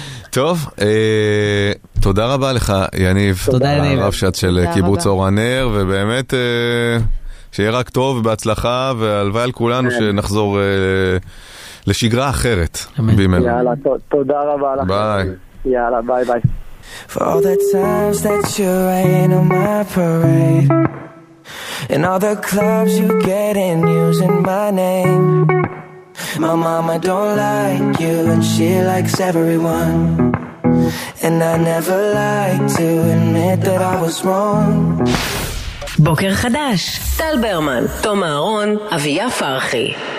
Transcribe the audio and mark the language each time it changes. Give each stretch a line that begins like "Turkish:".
Hebrew: טוב, תודה רבה לך, יניב. תודה, יניב. הרב שאת של קיבוץ אורנר, ובאמת שיהיה רק טוב ובהצלחה, והלוואי על כולנו שנחזור לשגרה אחרת. יאללה, תודה רבה לך. ביי. יאללה, ביי ביי.
English: For all the times that you rain on my parade and all the clubs you get in using my name. My mama don't like you and she likes everyone. And I never like to admit that I was wrong.
Hebrew: בוקר חדש, טל ברמן, תום אהרון, אביה פרחי.